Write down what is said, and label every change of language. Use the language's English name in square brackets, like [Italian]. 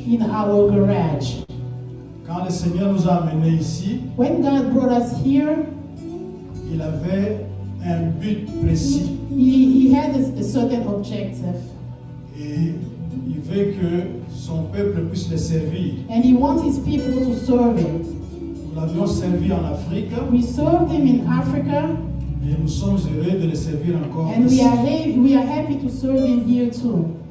[English] In our garage. [French] Quand le Seigneur nous a amené ici. [English] When God brought us here. [French] Il avait un but précis. [English] He had a certain objective. [French] Et il veut que son peuple puisse le servir. [English] And he wants his people to serve him. [French] Nous l'avions servi en Afrique. [English] We served him in Africa. [French] Et nous sommes heureux de le servir encore. [English] And we are happy to serve him here too.